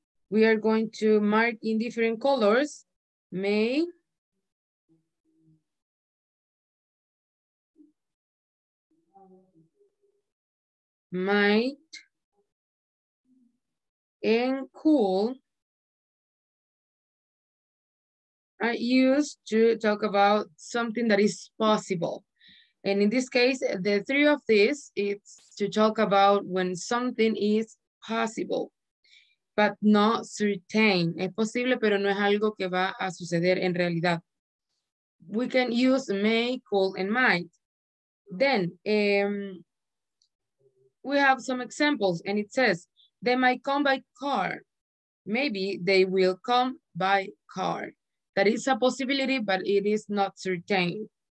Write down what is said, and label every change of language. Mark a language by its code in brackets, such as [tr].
[en] We are going to mark in different colors, may, might, and cool are used to talk about something that is possible. And in this case, the three of these, it's to talk about when something is possible. But not certain. [es] Es posible, pero no es algo que va a suceder en realidad. [en] We can use may, could, and might. Then we have some examples, and it says, they might come by car. Maybe they will come by car. That is a possibility, but it is not certain.